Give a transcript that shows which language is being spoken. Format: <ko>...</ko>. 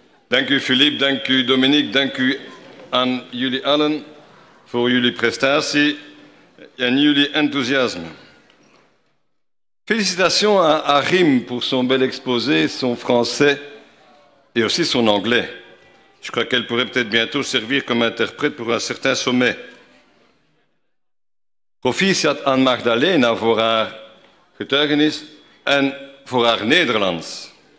<nl>Dank u Philippe, dank u Dominique, dank u aan jullie allen voor jullie prestatie en jullie enthousiasme.</nl> <fr>Félicitations à Arim pour son bel exposé, son français et aussi son anglais. Je crois qu'elle pourrait peut-être bientôt servir comme interprète pour un certain sommet.</fr> <nl>Proficiat aan Magdalena voor haar getuigenis en voor haar Nederlands.</nl>